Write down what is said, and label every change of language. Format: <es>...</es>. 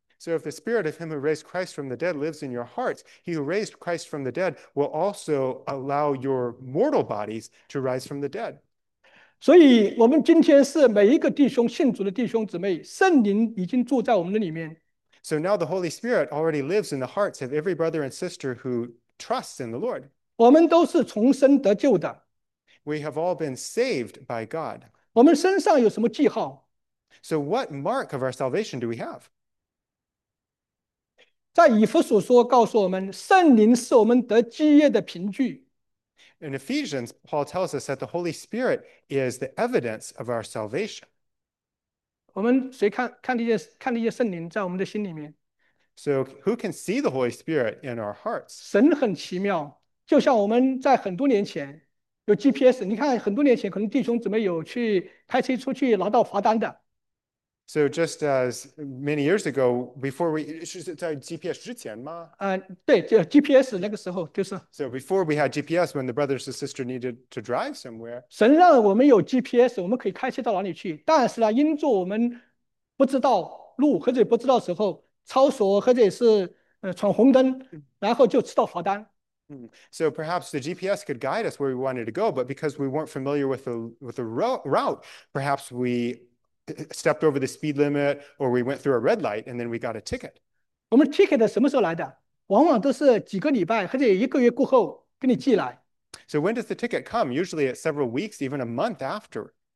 <en>So if the spirit of him who raised Christ from the dead lives in your hearts, he who raised Christ from the dead will also allow your mortal bodies to rise from the dead.</en> <zh>所以我们今天是每一个弟兄信主的弟兄姊妹，圣灵已经住在我们的里面。</zh> <en>So now the Holy Spirit already lives in the hearts of every brother and sister who trusts in the Lord.</en> <zh>我们都是重生得救的。</zh> <en>We have all been saved by God.</en> <zh>我们身上有什么记号？</zh> <en>So what mark of our salvation do we have?</en> <zh>在以弗所说告诉我们，圣灵是我们得基业的凭据。</zh> <en>In Ephesians, Paul tells us that the Holy Spirit is the evidence of our salvation.</en> <zh>我们谁看得见圣灵在我们的心里面？</zh> <en>So who can see the Holy Spirit in our hearts?</en> <zh>神很奇妙，就像我们在很多年前有 GPS， 你看很多年前可能弟兄姊妹有去开车出去拿到罚单的。</zh> <en>So just as many years ago, before we</en> <zh>是在 GPS 之前吗？对，就 GPS 那个时候就是。So</zh> <en>before we had GPS, when the brothers and sister needed to drive somewhere,</en> <zh>神让我们有 GPS, 我们可以开车到哪里去。但是呢，因着我们不知道路，或者不知道时候超速，或者是闯红灯，然后就吃到罚单。</zh> <en>So perhaps the GPS could guide us where we wanted to go, but because we weren't familiar with the route, perhaps we stepped over the speed limit or we went through a red light and then we got a ticket.</en> <zh>我们ticket什么时候来的？往往都是几个礼拜或者一个月过后给你寄来。So</zh> <en>when does the ticket come? Usually it's several weeks, even a month after.</en>